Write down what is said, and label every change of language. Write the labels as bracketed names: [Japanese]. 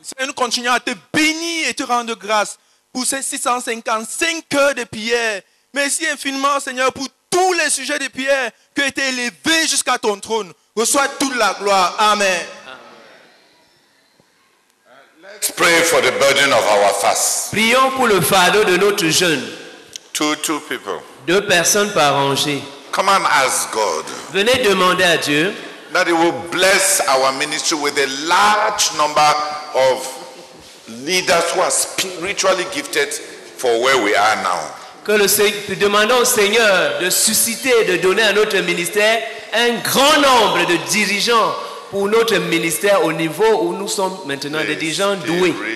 [French] Seigneur, nous continuons à te bénir et te rendre grâce pour ces 655 heures de prière. Merci infiniment, Seigneur, pour tous les sujets de prière qui ont été élevés jusqu'à ton trône. Reçois toute la gloire. Amen. Amen. [English] Let's pray for the burden of our fast. [French] Prions pour le fardeau de notre jeûne. [English] Two people. [French] Deux personnes par rangée. [English] Come and ask God. [French] Venez demander à Dieu. [English] That He will bless our ministry with a large number of leaders who are spiritually gifted for where we are now. [French] Que le Seigneur, demandons au Seigneur de susciter, de donner à notre ministère un grand nombre de dirigeants pour notre ministère au niveau où nous sommes maintenant, des dirigeants doués.